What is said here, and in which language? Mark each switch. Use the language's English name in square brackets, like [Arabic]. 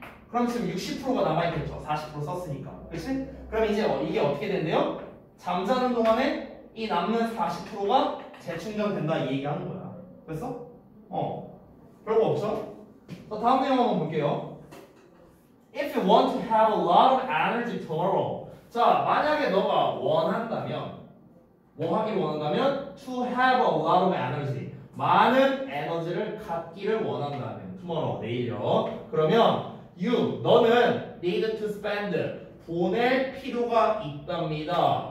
[Korean] 그럼 지금 60%가 남아있겠죠. 40% 썼으니까. 그치? 그럼 이제 이게 어떻게 됐네요? 잠자는 동안에 이 남는 40%가 재충전된다 이 얘기 하는 거야. 그랬어? 별거 없죠? 자, 다음 내용 한번 볼게요. [English] If you want to have a lot of energy tomorrow. [Korean] 자, 만약에 너가 원한다면, 뭐 하기를 원한다면? [English] To have a lot of energy. [Korean] 많은 에너지를 갖기를 원한다면. Tomorrow, 내일요. 그러면 you, 너는 [English] need to spend, [Korean] 보낼 필요가 있답니다.